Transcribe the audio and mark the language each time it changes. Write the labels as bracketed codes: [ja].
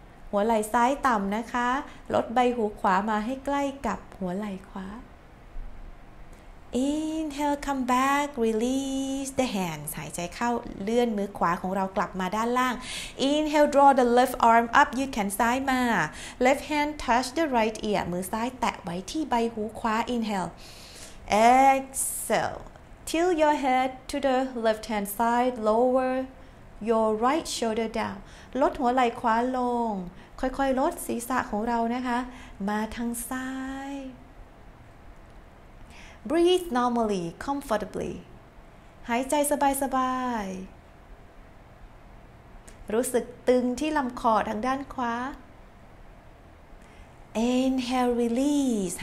[th] หัวไหล่ซ้ายต่ำนะคะลดใบหูขวามาให้ใกล้กับหัวไหล่ขวา [en] Inhale, come back, release the hands. [th] หายใจเข้าเลื่อนมือขวาของเรากลับมาด้านล่าง [en] Inhale, draw the left arm up. [th] ยืดแขนซ้ายมา [en] Left hand touch the right ear. [th] มือซ้ายแตะไว้ที่ใบหูขวา Inhale. [en] Exhale. Tilt your head to the left hand side. Lower your right shoulder down. [th] ลดหัวไหล่ขวาลงค่อยๆลดศีรษะของเรานะคะมาทางซ้าย [en] Breathe normally, comfortably. [th] หายใจสบายๆรู้สึกตึงที่ลำคอทางด้านขวา [en] Inhale, release.